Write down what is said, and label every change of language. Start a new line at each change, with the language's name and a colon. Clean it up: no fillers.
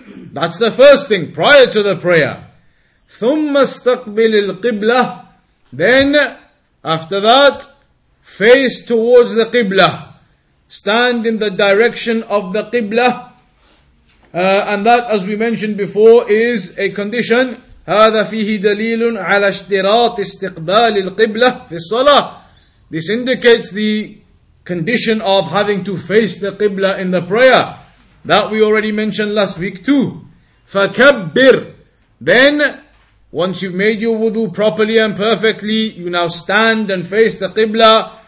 English: That's the first thing, prior to the prayer.
Arabic: ثُمَّ اسْتَقْبِلِ الْقِبْلَةِ.
English: Then, after that, face towards the qibla. Stand in the direction of the qibla. And that, as we mentioned before, is a condition.
Arabic: هذا فيه دليل على اشتراط استقبال القبلة في الصلاة.
English: This indicates the condition of having to face the qibla in the prayer. That we already mentioned last week too.
Arabic: فكبر.
English: Then, once you've made your wudu properly and perfectly, you now stand and face the qibla.